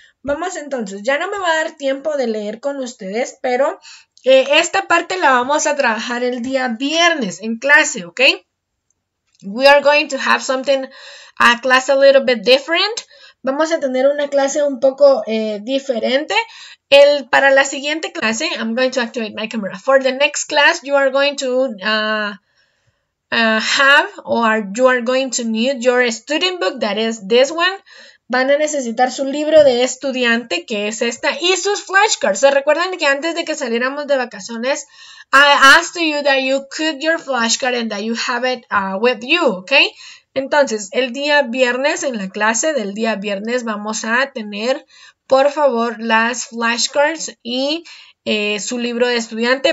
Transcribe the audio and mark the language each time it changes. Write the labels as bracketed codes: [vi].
[es] Vamos entonces, ya no me va a dar tiempo de leer con ustedes, pero esta parte la vamos a trabajar el día viernes en clase, ok. [en] We are going to have something, a class a little bit different. [es] Vamos a tener una clase un poco diferente. Para la siguiente clase, [en] I'm going to activate my camera. For the next class, you are going to... you are going to need your student book, that is this one. [es] Van a necesitar su libro de estudiante, que es esta, y sus flashcards. ¿Se recuerdan que antes de que saliéramos de vacaciones, [en] I asked you that you could your flashcard and that you have it with you, okay? [es] Entonces, el día viernes, en la clase del día viernes, vamos a tener, por favor, las flashcards y su libro de estudiante.